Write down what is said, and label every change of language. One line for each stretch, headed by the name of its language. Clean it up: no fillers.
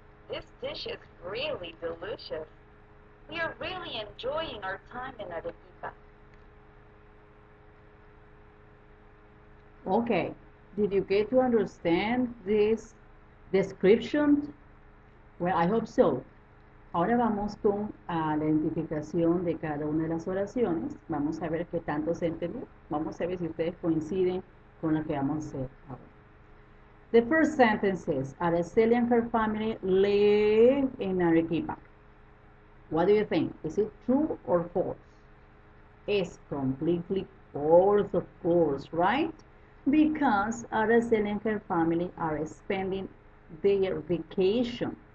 English: This dish is really delicious. We are really enjoying our time in Arequipa. Okay, did you get to understand this description? Well, I hope so.
Spanish: Ahora vamos con la identificación de cada una de las oraciones. Vamos a ver qué tanto se entendió. Vamos a ver si ustedes coinciden con lo que vamos a hacer ahora.
English: The first sentence is, Araceli and her family live in Arequipa. What do you think? Is it true or false? It's completely false, of course, right? Because Araceli and her family are spending their vacation.